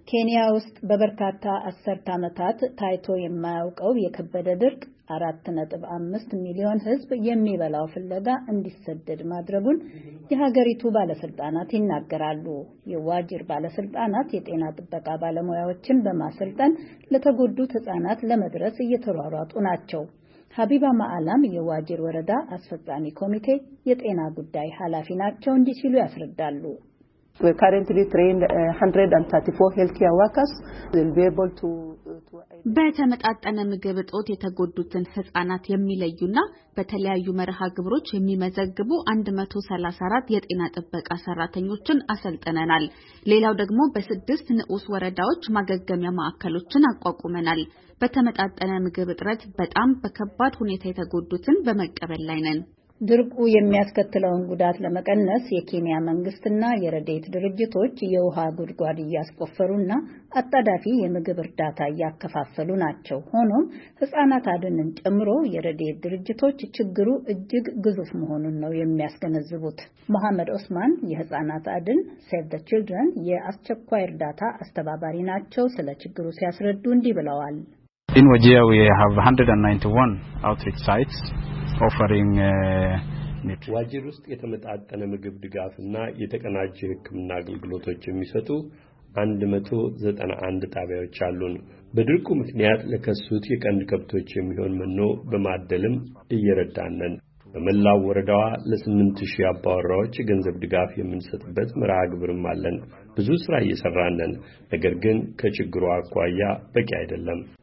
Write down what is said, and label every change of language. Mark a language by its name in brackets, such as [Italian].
[Amharic] ኬንያ ውስጥ በበርካታ 10 አመታት ታይቶ የማያውቀው የከበደ ድርቅ 4.5 ሚሊዮን ህዝብ የሚበላው ፍለጋ እንዲሰደድ ማድረጉን የሀገሪቱ ባለስልጣናት ይናገራሉ። የዋጅር ባለስልጣናት የጤና ጥበቃ ባለሙያዎችን በማሰልጠን ለተጎዱ ህጻናት ለመድረስ እየተሯሯጡ ናቸው። ሀቢባ ማዓላም የዋጅር ወረዳ አስፈጻሚ ኮሚቴ የጤና ጉዳይ ኃላፊ ናቸው። እንዲህ ሲሉ ያስረዳሉ። [English] We currently train 134 healthcare workers. They'll be able to [Amharic] በተመጣጠነ ምግብ እጦት የተጎዱትን ህጻናት የሚለዩና በተለያዩ መርሃ ግብሮች የሚመዘግቡ 134 የጤና ጥበቃ ሰራተኞችን አሰልጥነናል። ሌላው ደግሞ በ6 ንዑስ ወረዳዎች ማገገሚያ ማዕከሎችን አቋቁመናል። በተመጣጠነ ምግብ እጥረት በጣም በከባድ ሁኔታ የተጎዱትን በመቀበል ላይ ነን። ድርቁ የሚያስከትለውን ጉዳት ለመቀነስ የኬንያ መንግስትና የረዴት ድርጅቶች የውሃ ጉድጓድ እያስቆፈሩና አጣዳፊ የምግብ እርዳታ እያከፋፈሉ ናቸው። ሆኖም ህጻናት አድንን ጨምሮ የረዴት ድርጅቶች ችግሩ እጅግ ግዙፍ መሆኑን ነው የሚያስገነዝቡት። መሐመድ ኡስማን የህጻናት አድን Save the Children የአስቸኳይ እርዳታ አስተባባሪ ናቸው። ስለ ችግሩ ሲያስረዱ እንዲህ ብለዋል። [English] In Wajir we have 191 outreach sites offering [Amharic] net ዋጅር ውስጥ የተመጣጠነ ምግብ ድጋፍና የተቀናጀ ህክምና አገልግሎቶች የሚሰጡ 191 ጣቢያዎች አሉን። በድርቁ ምክንያት ለከሱት የቀንድ ከብቶች የሚሆን መኖ በማደልም እየረዳነን። በመላው ወረዳዋ ለ8000 አባወራዎች ገንዘብ ድጋፍ የምንሰጥበት ምራ አግብርም አለን። ብዙ ስራ እየሰራነን፣ ነገር ግን ከችግሩ አቋያ በቂ አይደለም።